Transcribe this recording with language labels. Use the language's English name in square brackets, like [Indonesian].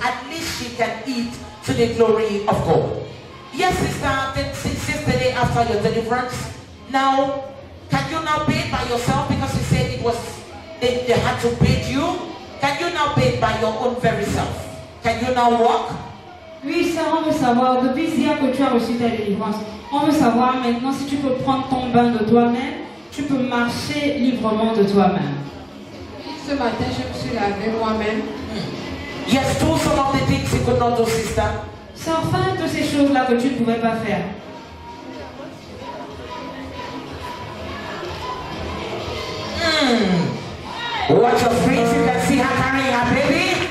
[English] At least she can eat to the glory of God. Yes, sister, since the day after your deliverance, now, can you now bathe by yourself? Because you said it was, they had to bathe you. Can you now bathe by your own very self? Can you now walk? [French] Oui, sœur, on veut savoir, depuis hier que tu as reçu ta délivrance, on veut savoir maintenant si tu peux prendre ton bain de toi-même, tu peux marcher librement de toi-même. Ce matin, je me suis lavé moi-même. [English] Yes, do some of the things you could not do, sister. [French] Sœur, fais un peu ces choses-là que tu ne pouvais pas faire. [English] Watch your feet, you can see her carrying her baby.